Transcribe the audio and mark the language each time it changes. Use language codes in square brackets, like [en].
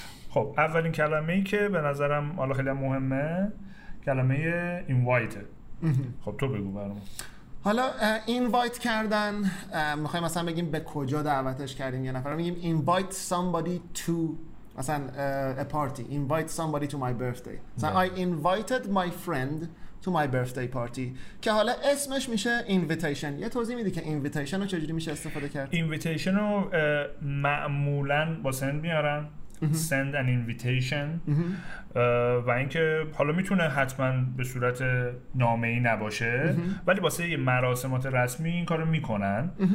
[fa] خب اولین کلمه‌ای که به نظرم حالا خیلی مهمه کلمه invite. خب تو بگو برامون. حالا invite کردن، میخوایم مثلا بگیم به کجا دعوتش کردیم، یه نفر میگیم [en] invite somebody to [fa] مثلا [en] a party, invite somebody to my birthday. So I invited my friend to my birthday party. [fa] که حالا اسمش میشه invitation. یه توضیح میدی که invitation رو چجوری میشه استفاده کرد؟ Invitation رو معمولا با send میارن. [en] Send an invitation. [fa] و اینکه حالا میتونه حتما به صورت نامه‌ای نباشه ولی واسه مراسمات رسمی این کارو میکنن.